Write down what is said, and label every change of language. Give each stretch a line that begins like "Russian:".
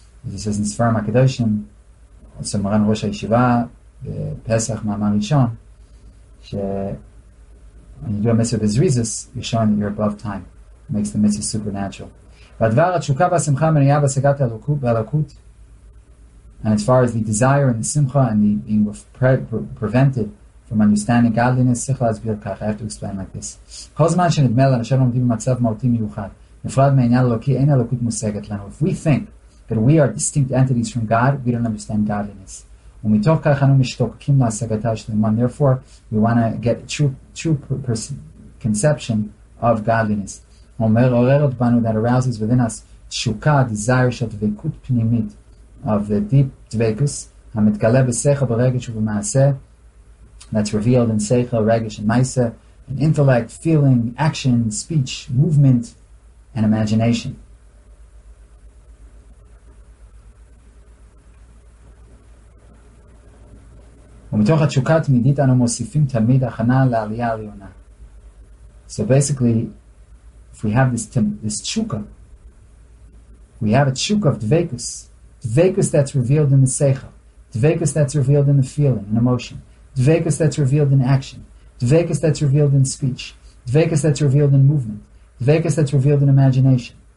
English: He says in Sfarim HaKadoshim, also Maran Rosh HaYeshiva,
Hebrew: בפסח מאמר ראשון שאני יודע מסר בזריזס
English: you're showing that you're above time, it makes the mitzvah supernatural.
Hebrew: והדבר התשוקה והשמחה מניעה בהשגת הלכות,
English: and as far as the desire and the simcha and the being prevented from understanding godliness,
Hebrew: צריך להסביר כך.
English: I have to explain like this.
Hebrew: כל זמן שנדמה לנו שאנחנו עומדים במצב מהותי מיוחד נפרד מעניין אלוקי, אין הלכות מושגת לנו.
English: If we think that we are distinct entities from God, we don't understand godliness.
Hebrew: ומתוך כך אנו משתוקקים להשגתה שלמה.
English: Therefore, we want to get a true conception of godliness.
Hebrew: אומר, עוררת בנו,
English: that arouses within us תשוקה, desire של דבקות פנימית, of the deep דבקות,
Hebrew: המתגלה בשכל, ברגש ובמעשה,
English: that's revealed in שכל, רגש and מעשה, in intellect, feeling, action, speech, movement, and imagination.
Hebrew: ומתוך התשוקה התמידית אנו מוסיפים תמיד הכנה לעלייה העליונה.
English: So basically, if we have this תשוקה, we have a תשוקה of דבקות, דבקות that's revealed in the seichel, דבקות that's revealed in the feeling, in emotion, דבקות that's revealed in action, דבקות that's revealed in speech, דבקות that's revealed in movement, דבקות that's revealed in imagination.